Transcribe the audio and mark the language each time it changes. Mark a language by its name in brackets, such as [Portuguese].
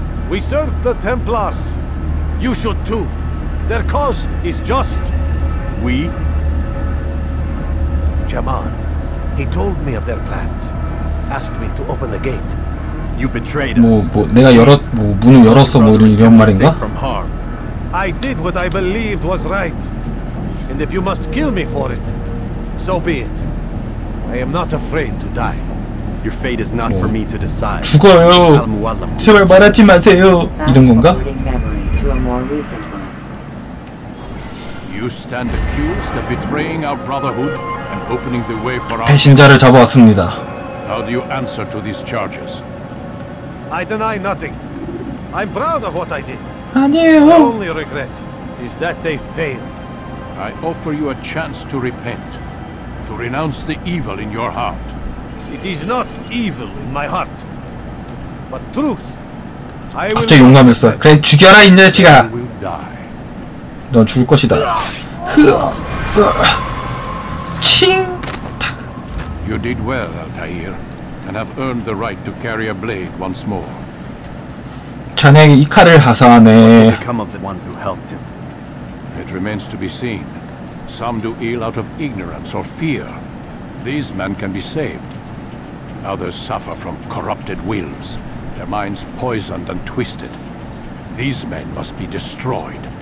[English] We serve the Templars. You should too. Their cause is just. We? Jaman. He told me of their plans. Asked me to open the gate. You betrayed us. [Korean] 문을 열었어 이런 말인가? [English] I did what I believed was right. And if you must kill me for it, so be it. I am not afraid to die. Your fate is not for me to decide. [Korean] 죽어요. 제발 말하지 마세요. 이런 건가? [English] You stand accused of betraying our brotherhood and opening the way for our [Korean] 배신자를 잡아왔습니다. [English] How do you answer to these charges? I deny nothing. I'm proud of what I did. [Korean] 아니에요. [English] My only regret is that they failed. I offer you a chance to repent, to renounce the evil in your heart. It is not evil in my heart, but truth. I will. [Korean] 갑자기 용감했어. 그래 죽여라 이 녀석아. [English] You will die. [Korean] 넌 죽을 것이다. 칭. [English] You did well, Altair. And have earned the right to carry a blade once more. [Korean] 자네에게 이 칼을 하사하네. [English] What become of the one who helped him? It remains to be seen. Some do ill out of ignorance or fear. These men can be saved. Others suffer from corrupted wills, their minds poisoned and twisted. These men must be destroyed.